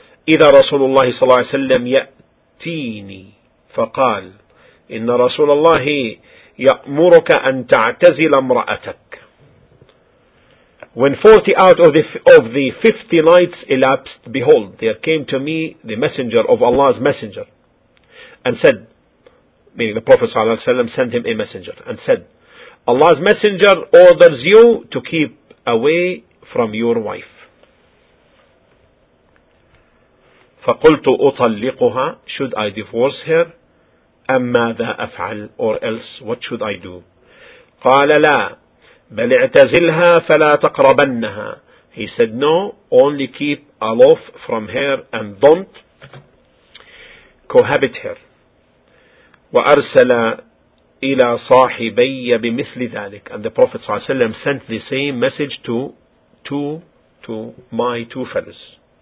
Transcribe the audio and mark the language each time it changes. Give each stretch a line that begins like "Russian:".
Arabic: إذا رسول الله صلى الله عليه وسلم يأتيني فقال إن رسول الله يأمرك أن تعتزل امرأتك.
English: When 40 out of the 50 nights elapsed, behold, there came to me the messenger of Allah's messenger and said, meaning the Prophet ﷺ sent him a messenger and said, Allah's messenger orders you to keep away from your wife.
Arabic: فَقُلْتُ أُطَلِّقُهَا.
English: Should I divorce her?
Arabic: أَمَّاذَا أَفْعَلْ.
English: Or else, what should I do?
Arabic: قَالَ لَا بل اعتزلها فلا تقربنها.
English: He said, no, only keep aloof from her and don't cohabit her.
Arabic: وَأَرْسَلَ إِلَى صَاحِبَيَّ بِمِثْلِ ذَلِكَ.
English: And the Prophet ﷺ sent the same message to my two fellows.